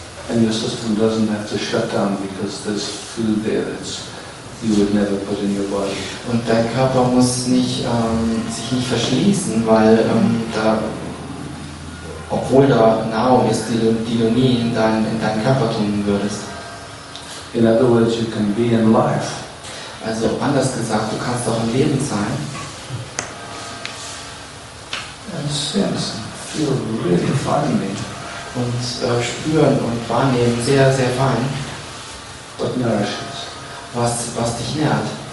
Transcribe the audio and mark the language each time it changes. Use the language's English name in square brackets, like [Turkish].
[English] And your system doesn't have to shut down because there's food there that you would never put in your body. [German] Und dein Körper muss nicht sich nicht verschließen, weil da, obwohl da Nahrung ist, die du nie in deinen Körper tun würdest. [English] In other words, you can be in life. [German] Also anders gesagt, du kannst auch im Leben sein. [English] And sense, feel really finely. [German] Und spüren und wahrnehmen sehr, sehr fein. [English] What nourishes. [German] Was dich nährt.